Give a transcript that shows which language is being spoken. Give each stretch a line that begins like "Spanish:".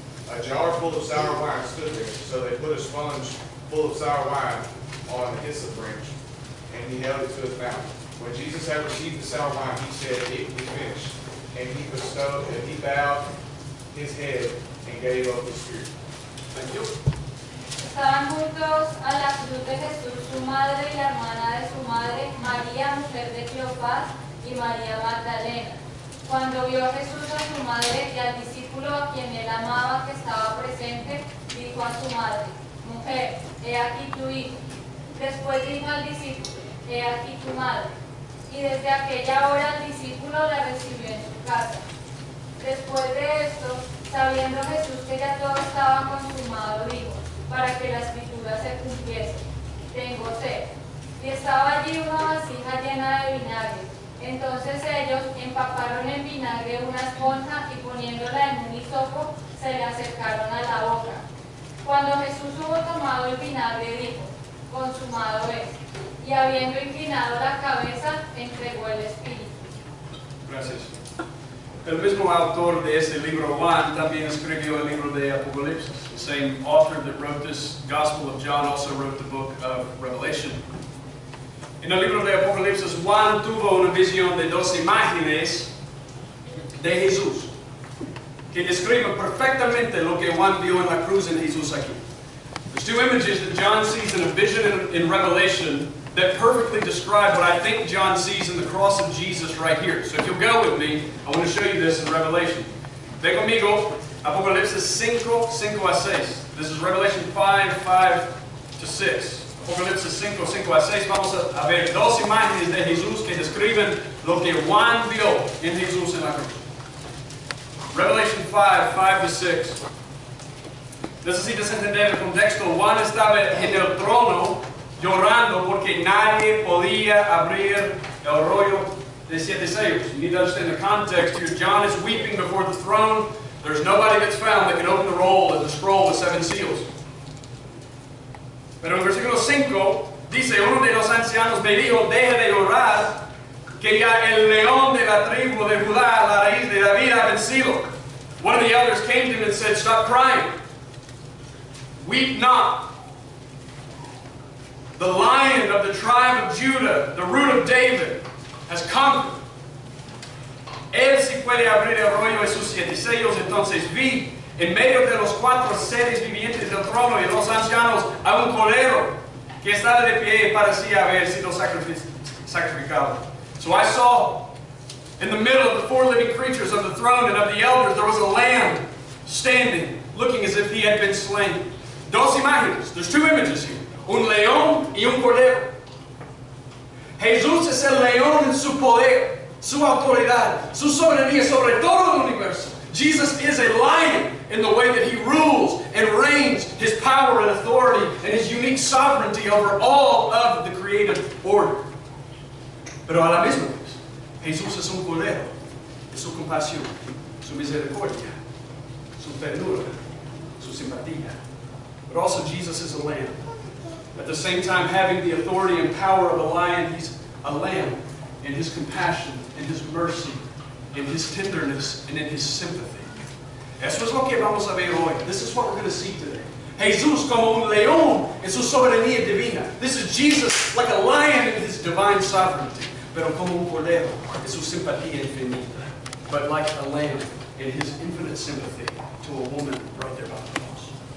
English: A jar full of sour wine stood there, so they put a sponge full of sour wine on a hyssop branch, and he held it to his mouth. When Jesus had received the sour wine, he said, "It is finished." And he bestowed, and he bowed his head and gave up the spirit. Thank you.
Spanish: Estaban juntos a la cruz de Jesús su madre y la hermana de su madre, María, mujer de Cleofás, y María Magdalena. Cuando vio a Jesús a su madre y al discípulo a quien él amaba que estaba presente, dijo a su madre, "Mujer, he aquí tu hijo." Después dijo al discípulo, "He aquí tu madre." Y desde aquella hora el discípulo la recibió en su casa. Después de esto, sabiendo Jesús que ya todo estaba consumado, dijo, para que la escritura se cumpliese, "Tengo sed." Y estaba allí una vasija llena de vinagre. Entonces ellos empaparon en vinagre una esponja y poniéndola en un hisopo, se le acercaron a la boca. Cuando Jesús hubo tomado el vinagre, dijo, "Consumado es." Y habiendo inclinado la cabeza, entregó el espíritu. Gracias. El mismo autor de este libro, Juan, también escribió el libro de Apocalipsis.
English: The same author that wrote this Gospel of John also wrote the book of Revelation.
Spanish: En el libro de Apocalipsis, Juan tuvo una visión de dos imágenes de Jesús, que describe perfectamente lo que Juan vio en la cruz en Jesús aquí.
English: There's two images that John sees in a vision in Revelation that perfectly describe what I think John sees in the cross of Jesus right here. So if you'll go with me, I want to show you this in Revelation.
Spanish: Ve conmigo, Apocalipsis 5:5-6.
English: This is Revelation 5:5-6. Apocalipsis 5:5-6.
Spanish: Vamos a ver dos imágenes de Jesús que describen lo que Juan vio en Jesús en la cruz. Revelation 5:5-6. Necesitas entender el contexto. Juan estaba en el trono llorando porque nadie podía abrir el rollo de siete sellos.
English: You need to understand the context here. John is weeping before the throne. There's nobody that's found that can open the roll of the scroll with seven seals.
Spanish: Pero en versículo 5 dice, uno de los ancianos me dijo, "Deja de llorar, que ya el león de la tribu de Judá, la raíz de David, ha vencido."
English: One of the elders came to him and said, "Stop crying. Weep not. The lion of the tribe of Judah, the root of David, has conquered.
Spanish: Él si puede abrir el rollo de sus siete sellos." Entonces vi en medio de los cuatro seres vivientes del trono y los ancianos a un cordero que estaba de pie y parecía haber sido sacrificado.
English: So I saw in the middle of the four living creatures of the throne and of the elders, there was a lamb standing, looking as if he had been slain.
Spanish: Dos imágenes.
English: There's two images here.
Spanish: Un león y un cordero. Jesús es el león en su poder, su autoridad, su soberanía sobre todo el universo.
English: Jesus is a lion in the way that he rules and reigns, his power and authority and his unique sovereignty over all of the creative order.
Spanish: Pero a la misma vez, Jesús es un cordero en su compasión, su misericordia, su ternura, su simpatía.
English: But also Jesus is a lamb. At the same time, having the authority and power of a lion, he's a lamb in his compassion, in his mercy, in his tenderness, and in his sympathy.
Spanish: Eso es lo que vamos a ver hoy.
English: This is what we're going to see today.
Spanish: Jesús como un león en su soberanía divina.
English: This is Jesus like a lion in his divine sovereignty.
Spanish: Pero como un cordero en su simpatía infinita.
English: But like a lamb in his infinite sympathy to a woman right there by the cross.